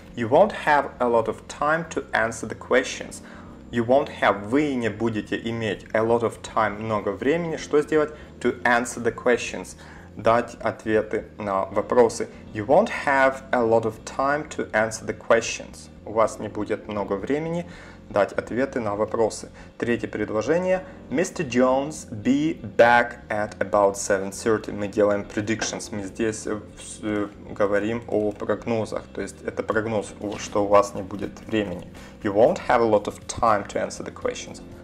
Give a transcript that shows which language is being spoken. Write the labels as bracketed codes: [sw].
[en] You won't have a lot of time to answer the questions. You won't have. [ru] Вы не будете иметь [en] a lot of time, [ru] много времени. Что сделать? [en] To answer the questions. [ru] Дать ответы на вопросы. [en] You won't have a lot of time to answer the questions. [ru] У вас не будет много времени дать ответы на вопросы. Третье предложение. [en] Mr. Jones, be back at about 7:30. [ru] Мы делаем predictions. Мы здесь говорим о прогнозах. То есть это прогноз, что у вас не будет времени. [en] You won't have a lot of time to answer the questions.